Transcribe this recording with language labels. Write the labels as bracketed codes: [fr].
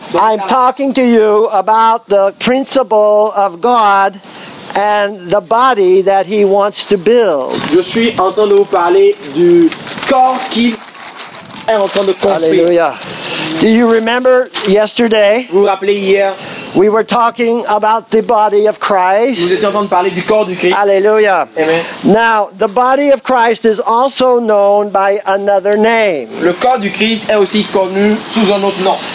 [en] I'm talking to you about the principle of God and the body that He wants to build. [fr] Je suis en train de vous parler du corps qu'il est en train de construire. [en] Hallelujah. Do you remember yesterday? [fr] Vous vous rappelez hier? [en] We were talking about the body of Christ. [fr] Nous étions en train de parler du corps du Christ. Alléluia. Amen. [en] Now, the body of Christ is also known by another name. [fr] Le corps du Christ est aussi connu sous un autre nom.